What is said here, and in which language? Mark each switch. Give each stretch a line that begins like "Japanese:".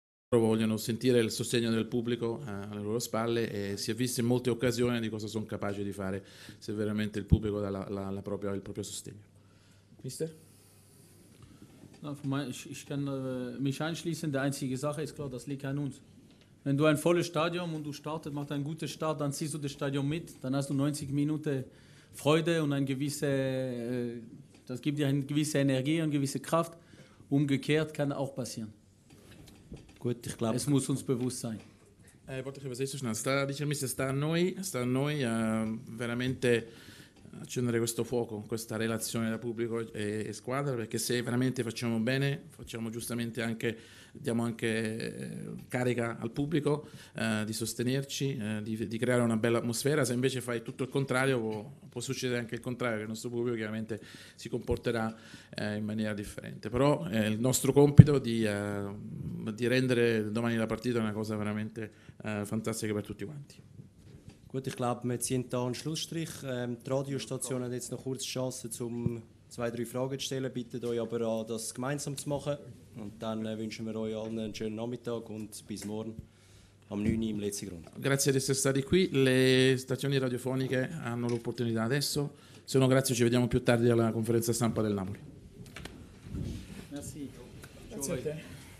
Italian: Vogliono sentire il sostegno del pubblico alle loro spalle e si è visto in molte occasioni di cosa sono capaci di fare se veramente il pubblico dà il proprio sostegno. Mister?
German: No, ich kann mich anschließen. Die einzige Sache ist klar, das liegt an uns. Wenn du ein volles Stadion und du startest, macht ein guter Start, dann ziehst du das Stadion mit, dann hast du 90 Minuten Freude und ein gewisse, das gibt dir eine gewisse Energie und gewisse Kraft. Umgekehrt kann auch passieren. Gut, ich glaube, es muss uns bewusst sein. Wollte ich übersetzen, schnell.
Italian: Sta a noi veramente accendere questo fuoco, questa relazione da pubblico e squadra, perché se veramente facciamo bene, facciamo giustamente anche, diamo anche carica al pubblico di sostenerci, di creare una bella atmosfera. Se invece fai tutto il contrario, può succedere anche il contrario, che il nostro pubblico chiaramente si comporterà in maniera differente. Però è il nostro compito di rendere domani la partita una cosa veramente fantastica per tutti quanti.
German: Gut, ich glaube, wir ziehen hier einen Schlussstrich. Die Radiostation hat jetzt noch kurz die Chance, um zwei, drei Fragen zu stellen. Bittet euch aber an, das gemeinsam zu machen. Und dann wünschen wir euch allen einen schönen Nachmittag und bis morgen am 9 Uhr im letzten Grund.
Italian: Grazie di essere stati qui. Le stazioni radiofoniche hanno l'opportunità adesso. Se no, grazie, ci vediamo più tardi alla conferenza stampa del Napoli.
French: Merci.
Italian: Grazie a te.